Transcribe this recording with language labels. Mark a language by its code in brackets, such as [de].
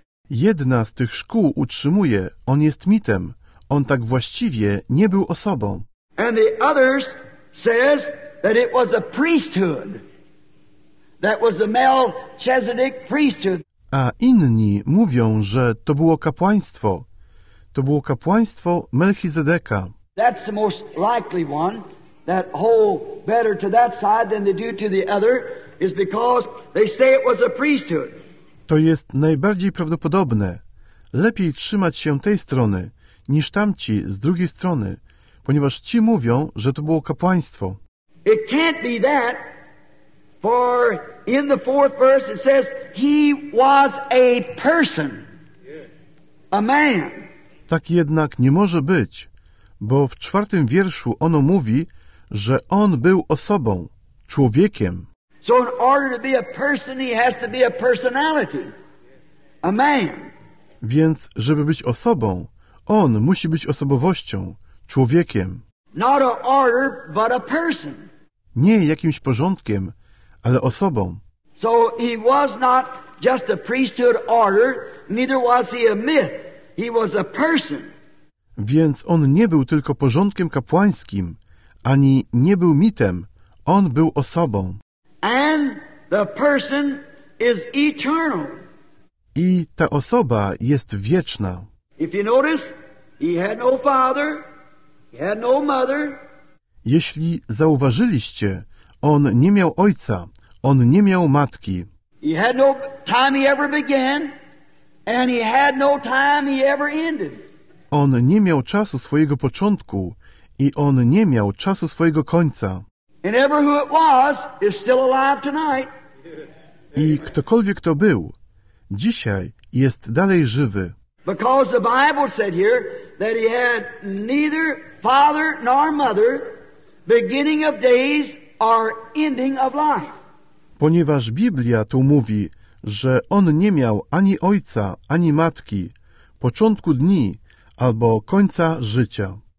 [pl] Jedna z tych szkół utrzymuje, on jest mitem. On tak właściwie nie był osobą. [en] And the others says that it was a priesthood. That was the Melchizedek priesthood. [pl] A inni mówią, że to było kapłaństwo. To było kapłaństwo Melchizedeka. [en] That's the most likely one that hold better to that side than they do to the other is because they say it was a priesthood. [pl] To jest najbardziej prawdopodobne. Lepiej trzymać się tej strony niż tamci z drugiej strony, ponieważ ci mówią, że to było kapłaństwo. [en] It can't be that, for in the fourth verse it says he was a person, a man. [pl] Tak jednak nie może być, bo w czwartym wierszu ono mówi, że on był osobą, człowiekiem. [en] So in order to be a person, he has to be a personality, a man. [pl] Więc żeby być osobą, on musi być osobowością, człowiekiem. [en] Not a order, but a person. [pl] Nie jakimś porządkiem, ale osobą. [en] So he was not just a priesthood order, neither was he a myth. He was a person. [pl] Więc on nie był tylko porządkiem kapłańskim, ani nie był mitem. On był osobą. [en] And the person is eternal. [pl] I ta osoba jest wieczna. [en] If you notice, he had no father, he had no mother. [pl] Jeśli zauważyliście, on nie miał ojca, on nie miał matki. [en] He had no time he ever began, and he had no time he ever ended. [pl] On nie miał czasu swojego początku i on nie miał czasu swojego końca. [en] And ever who it was is still alive tonight. [pl] I ktokolwiek to był, dzisiaj jest dalej żywy. [en] Because the Bible said here that he had neither father nor mother, beginning of days or ending of life. [pl] Ponieważ Biblia tu mówi, że on nie miał ani ojca, ani matki, początku dni albo końca życia.